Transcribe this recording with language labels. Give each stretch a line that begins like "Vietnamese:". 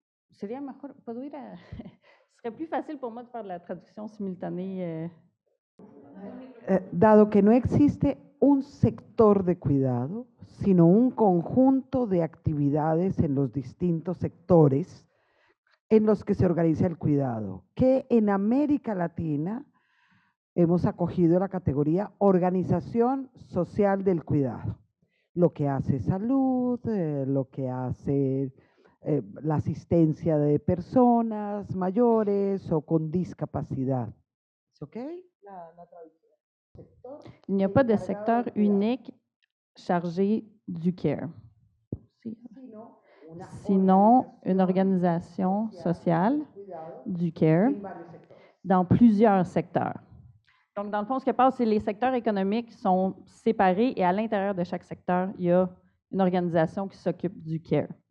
French: Ce serait plus facile pour moi de faire de la traduction simultanée.
Spanish: Dado que no existe un sector de cuidado, sino un conjunto de actividades en los distintos sectores en los que se organiza el cuidado, que en América Latina hemos acogido la categoría organización social del cuidado, lo que hace salud, lo que hace la asistencia de personas mayores o con discapacidad. ¿Es ok?
French: Il n'y a pas de secteur unique chargé du care, sinon une organisation sociale du care dans plusieurs secteurs. Donc, dans le fond, ce qui passe, c'est que les secteurs économiques sont séparés et à l'intérieur de chaque secteur, il y a une organisation qui s'occupe du care.